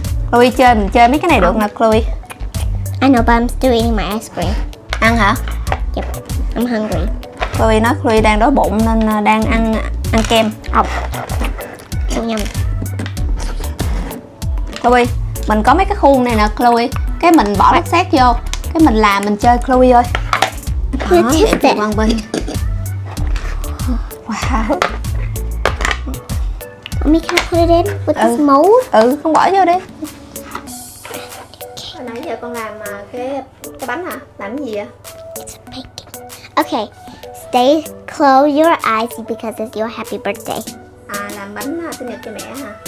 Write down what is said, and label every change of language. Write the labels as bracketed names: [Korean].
[Vietnamese] Chloe chơi, mình chơi mấy cái này được mà, Chloe. [English] I know, but I'm still eating my ice cream. [Vietnamese] Ăn hả? [English] Yep. I'm hungry. [Vietnamese] Chloe nói Chloe đang đói bụng nên đang ăn ăn kem. Ốc. Chua nhầm. Chloe, mình có mấy cái khuôn này nè Chloe. Cái mình bỏ đất sét vô. Cái mình làm mình chơi Chloe ơi. Đó, để quăng bên. [English] Wow. Mommy, can I put it in with the mold? [Vietnamese] Ừ, con bỏ vô đi. Nãy giờ con làm cái bánh hả? Làm cái gì vậy? [English] Okay, stay close your eyes because it's your happy birthday. [Vietnamese] À, làm bánh sinh nhật cho mẹ hả?